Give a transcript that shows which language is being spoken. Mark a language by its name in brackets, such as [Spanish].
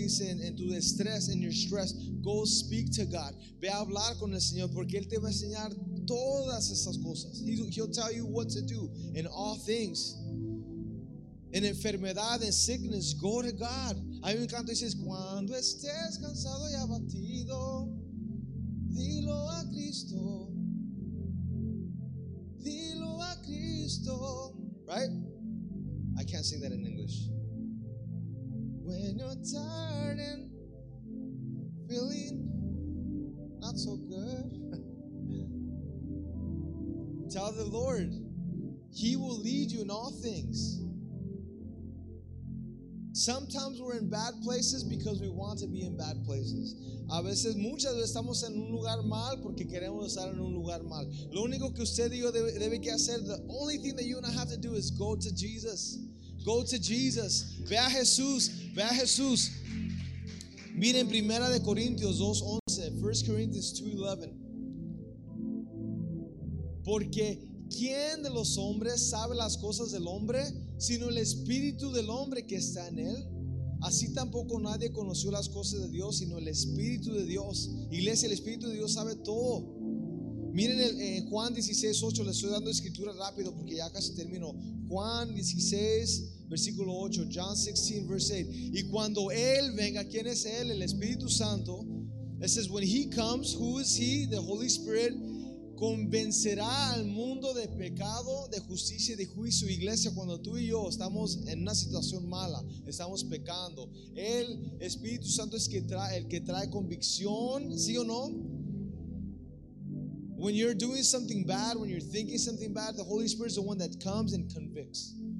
[English] En your stress, go speak to God. [Spanish] Ve a hablar con el Señor, porque Él te va a enseñar todas esas cosas. [English] He'll tell you what to do in all things. [Spanish] En enfermedad, en [English] sickness, go to God. [Spanish] Hay un canto que dice: cuando estés cansado y abatido, dilo a Cristo. Dilo a Cristo. [English] Right? I can't sing that in English. When you're tired and feeling not so good, tell the Lord, He will lead you in all things. Sometimes we're in bad places because we want to be in bad places. [Spanish] A veces, muchas veces estamos en un lugar mal porque queremos estar en un lugar mal. Lo único que usted y yo debe que hacer, [English] the only thing that you and I have to do is go to Jesus. Go to Jesus. [Spanish] Ve a Jesús. Ve a Jesús. Miren, 1 Corintios 2:11. 1 Corinthians 2:11. Porque ¿quién de los hombres sabe las cosas del hombre, sino el Espíritu del hombre que está en él? Así tampoco nadie conoció las cosas de Dios, sino el Espíritu de Dios. Iglesia, el Espíritu de Dios sabe todo. Miren Juan 16:8. Le estoy dando escritura rápido porque ya casi termino. Juan 16, versículo 8. [English] John 16, verse 8. [Spanish] Y cuando Él venga, ¿quién es Él? El Espíritu Santo. [English] It says, when He comes, who is He? The Holy Spirit. [Spanish] Convencerá al mundo de pecado, de justicia y de juicio. Iglesia, cuando tú y yo estamos en una situación mala, estamos pecando, el Espíritu Santo es el que trae convicción, ¿sí o no? [English] When you're doing something bad, when you're thinking something bad, the Holy Spirit is the one that comes and convicts.